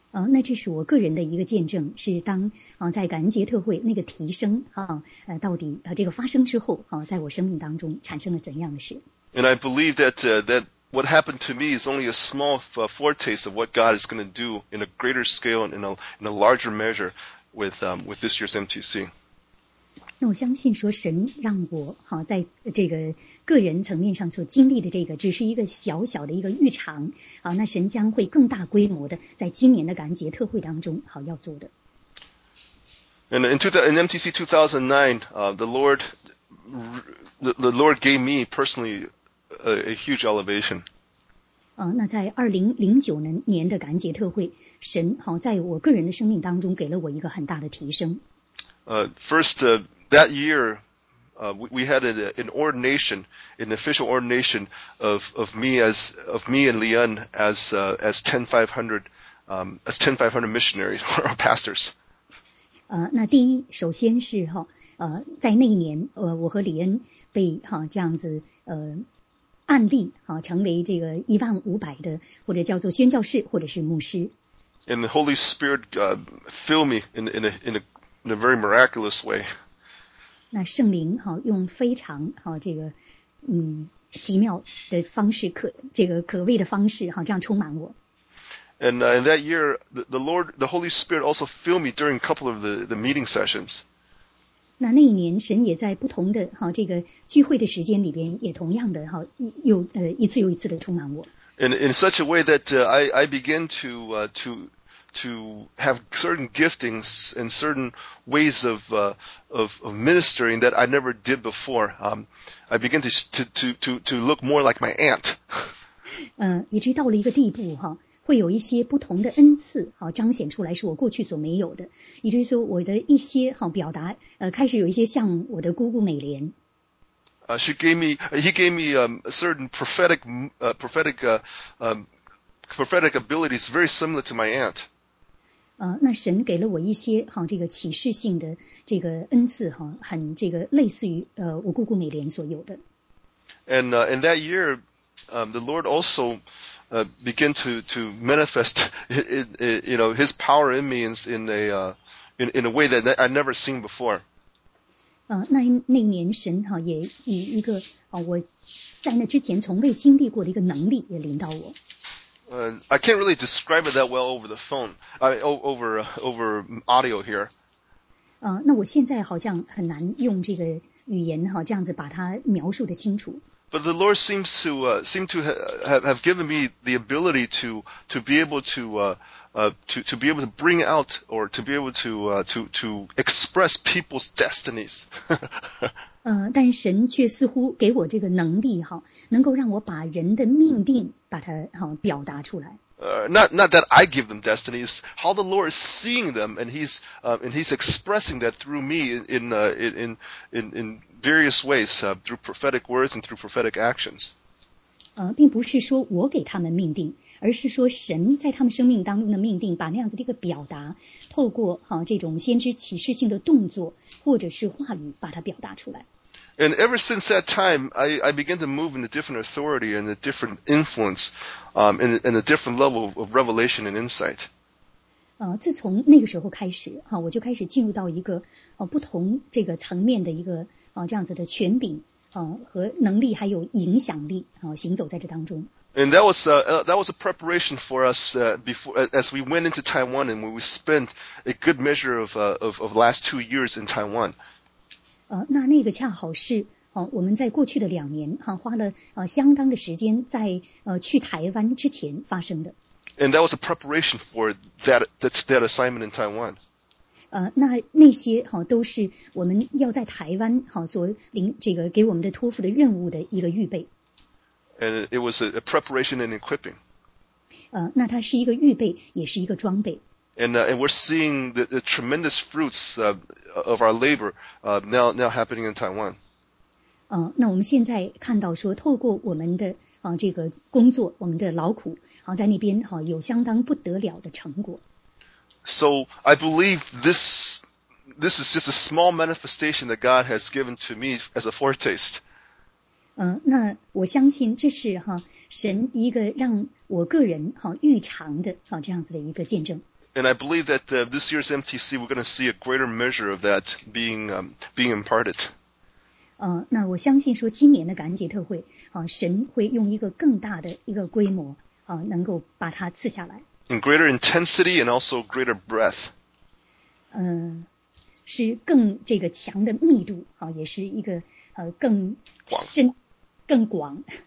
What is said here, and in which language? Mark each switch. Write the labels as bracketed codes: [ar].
[zh] 那这是我个人的一个见证，是当在感恩节特会那个提升到底这个发生之后在我生命当中产生了怎样的事。 [en] And I believe that that what happened to me is only a small foretaste of what God is going to do in a greater scale and in a larger measure with this year's MTC. [zh] 那我相信说神让我在这个个人层面上所经历的这个只是一个小小的一个预尝那神将会更大规模的在今年的感恩节特会当中要做的。 [en] And in MTC 2009, the Lord gave me personally a huge elevation. [zh] 那在2009年的感恩节特会神在我个人的生命当中给了我一个很大的提升。 [en] That year, we had an ordination, an official ordination of me and Leon as 10500, as 10500 missionaries or pastors. [zh] 那第一，首先是在那一年，我和李恩被这样子案例成为这个1500的或者叫做宣教士或者是牧师。 [en] And the Holy Spirit filled me in a very miraculous way. [zh] 那圣灵用非常这个奇妙的方式可畏的方式这样充满我。 [en] And in that year, the Holy Spirit also filled me during a couple of the meeting sessions. [zh] 那那一年神也在不同的哈这个聚会的时间里边也同样的哈又一次又一次的充满我。 [en] In such a way that I begin to have certain giftings and certain ways of ministering that I never did before. I begin to look more like my aunt. [zh] 以至于到了一个地步哈，会有一些不同的恩赐好彰显出来，是我过去所没有的，以至于说我的一些好表达开始有一些像我的姑姑美莲。 [en] He gave me certain prophetic abilities very similar to my aunt. [zh] 那神给了我一些好这个启示性的这个恩赐哈，很这个类似于我姑姑美莲所有的。 [en] And that year, the Lord also begin to manifest his power in me in a way that I'd never seen before. [zh] 那一年神哈也以一个我在那之前从未经历过的一个能力也临到我。 [en] I can't really describe it that well over the phone. Over audio here. [zh] 那我现在好像很难用这个语言哈这样子把它描述的清楚。 [en] But the Lord seems to have given me the ability to be able to bring out or to be able to express people's destinies. [zh] 但神却似乎给我这个能力哈，能够让我把人的命定把它哈表达出来。 [en] Not that I give them destinies. How the Lord is seeing them, and He's expressing that through me in various ways, through prophetic words and through prophetic actions. [zh] 并不是说我给他们命定，而是说神在他们生命当中的命定，把那样子的一个表达，透过哈这种先知启示性的动作或者是话语，把它表达出来。 [en] And ever since that time, I began to move in a different authority and a different influence, and a different level of revelation and insight. [zh] 自从那个时候开始，哈，我就开始进入到一个不同这个层面的一个这样子的权柄和能力，还有影响力行走在这当中。 [en] And that was a preparation for us before as we went into Taiwan and when we spent a good measure of last 2 years in Taiwan. [zh] 那个恰好是我们在过去的两年哈花了相当的时间在去台湾之前发生的。 [en] And that was a preparation for that assignment in Taiwan. [zh] 那些哈都是我们要在台湾哈所领这个给我们的托付的任务的一个预备。 [en] And it was a preparation and equipping. [zh] 那它是一个预备，也是一个装备。 [en] And we're seeing the tremendous fruits of our labor now happening in Taiwan. [zh] 那我们现在看到说，透过我们的这个工作，我们的劳苦，在那边有相当不得了的成果。 [en] So I believe this is just a small manifestation that God has given to me as a foretaste. [zh] 那我相信这是哈神一个让我个人哈预尝的哈这样子的一个见证。 [en] And I believe that this year's MTC, we're going to see a greater measure of that being imparted. [zh] 那我相信说今年的感恩节特会，神会用一个更大的一个规模，能够把它赐下来。 [en] In greater intensity and also greater breadth. [zh] 是更这个强的密度，也是一个更深、更广。